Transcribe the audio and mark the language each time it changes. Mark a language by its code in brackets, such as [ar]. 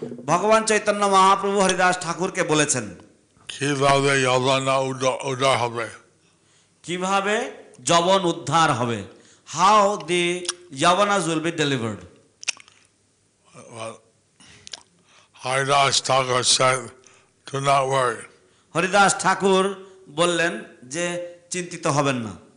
[bn] ভগবান চৈতন্য মহাপ্রভু হরিদাস ঠাকুরকে বলেছেন কিভাবে যবন উদ্ধার হবে, কিভাবে যবন উদ্ধার হবে, [en] How the yavanas will be delivered. Haridas Thakur said, "Do not worry." [bn] Haridas ঠাকুর বললেন যে চিন্তিত হবেন না।